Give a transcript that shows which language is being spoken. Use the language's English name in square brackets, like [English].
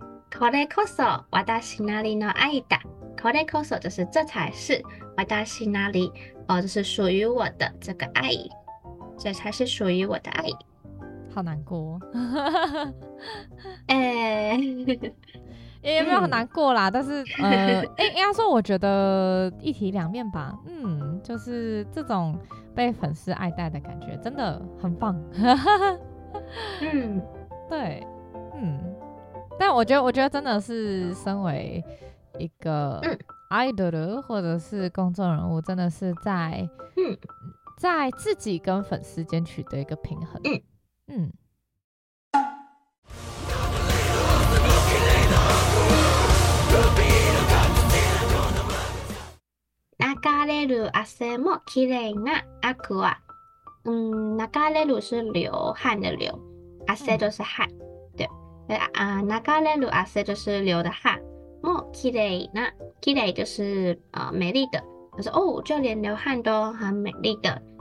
[Japanese] これこそ私なりの愛だ。これこそ [Chinese] 就是这才是 [Japanese] 私なり， [Chinese] 就是属于我的这个爱，这才是属于我的爱。好难过，哎、也没有很难过啦，但是应该说我觉得一体两面吧，就是这种被粉丝爱戴的感觉真的很棒。对，但我觉得真的是身为一个 idol 或者是公众人物，真的是在自己跟粉丝间取得一个平衡。 [Japanese] 流れる汗も綺麗なアクア。 [Chinese] 流れる是流汗的流，汗就是汗，对。 [Japanese] 流れる汗 [Chinese] 就是流的汗。 [Japanese] も綺麗な， [Chinese] 綺麗就是美丽的。我说哦，就连流汗都很美丽的。